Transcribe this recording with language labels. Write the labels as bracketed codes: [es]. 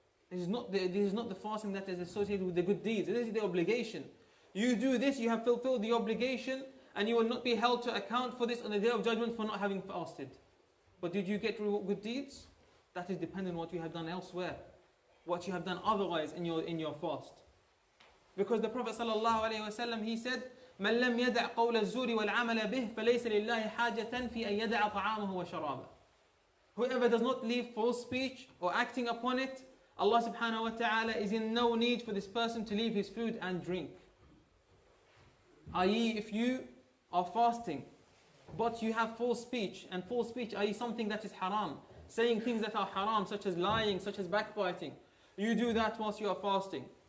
[en] This is not the fasting that is associated with the good deeds. This is the obligation. You do this, you have fulfilled the obligation, and you will not be held to account for this on the day of judgment for not having fasted. But did you get good deeds? That is dependent on what you have done elsewhere. What you have done otherwise in your fast. Because the Prophet sallallahu alaihi wasallam, he said, [ar] مَنْ لَمْ يَدَعْ قَوْلَ الزُّورِ وَالْعَمَلَ بِهِ فَلَيْسَ لِلَّهِ حَاجَةً فِي أَنْ يَدَعَ طَعَامَهُ وَشَرَابًا. [en] Whoever does not leave false speech or acting upon it, Allah subhanahu wa ta'ala is in no need for this person to leave his food and drink. I.e. if you are fasting, but you have false speech, and false speech, i.e. something that is haram, saying things that are haram, such as lying, such as backbiting, you do that whilst you are fasting.